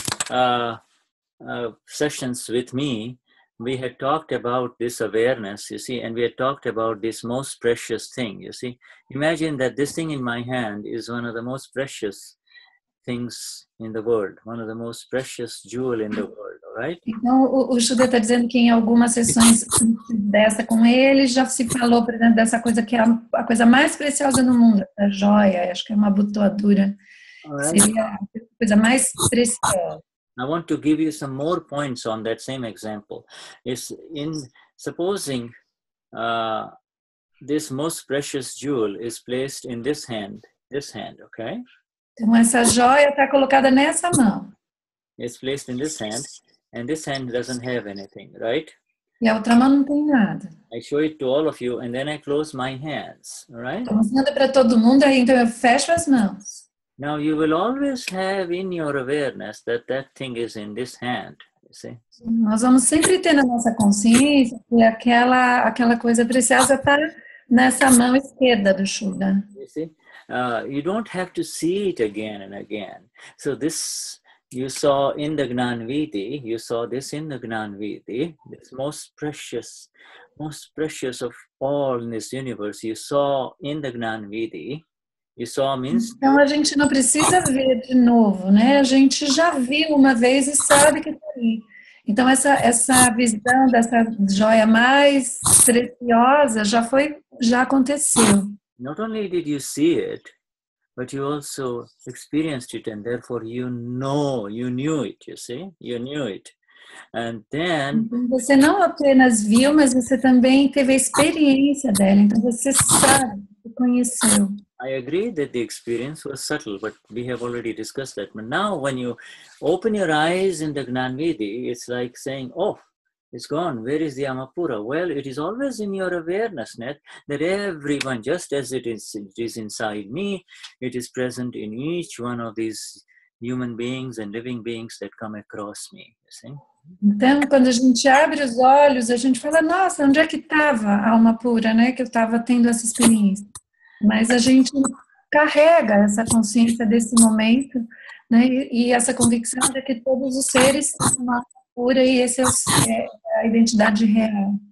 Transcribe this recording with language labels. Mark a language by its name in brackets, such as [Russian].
[English] In some of the earlier sessions with me, we had talked about this awareness, you see, and we had talked about this most precious thing, you see. Imagine that this thing in my hand is one of the most precious things in the world, one of the most precious jewel in the world, right? [Portuguese] Então, o Shuddha está dizendo que em algumas sessões dessa com ele, já se falou, por exemplo, dessa coisa que é a coisa mais preciosa no mundo, a joia, acho que é uma abotoadura, seria a coisa mais preciosa. [English] I want to give you some more points on that same example. It's in supposing this most precious jewel is placed in this hand, okay? [Portuguese] Então essa joia está colocada nessa mão. [English] It's placed in this hand, and this hand doesn't have anything, right? [Portuguese] E a outra mão não tem nada. [English] I show it to all of you, and then I close my hands, right? [Portuguese] Estou mostrando para todo mundo, aí então eu fecho as mãos. [English] Now you will always have in your awareness that thing is in this hand, you [Portuguese] sim. Nós vamos sempre ter na nossa consciência que aquela coisa preciosa está nessa mão esquerda do Shuddha. [English] You see? You don't have to see it again and again. So this you saw in the Gnan Vidhi, you saw this in the Gnan Vidhi, this most precious of all in this universe, you saw in the Gnan Vidhi. You saw means. [Portuguese] Então a gente não precisa ver de novo, né? A gente já viu uma vez e sabe que está ali. Então essa visão dessa joia mais preciosa já aconteceu. [English] Not only did you see it, but you also experienced it, and therefore you know, you knew it, you see? You knew it. And then. [Portuguese] Você não apenas viu, mas você também teve a experiência dela. Então você sabe, você conheceu. [English] I agree that the experience was subtle, but we have already discussed that. But now when you open your eyes in the Gnan Vidhi, it's like saying, oh, it's gone. Where is the Amapura? Well, it is always in your awareness net that everyone, just as it is inside me, it is present in each one of these human beings and living beings that come across me. You see? [Portuguese] Então, quando a gente abre os olhos, a gente fala, nossa, onde é que estava a Amapura, né? Que eu estava tendo essa experiência. Mas a gente carrega essa consciência desse momento, né? E essa convicção de que todos os seres são uma pura e essa é a identidade real.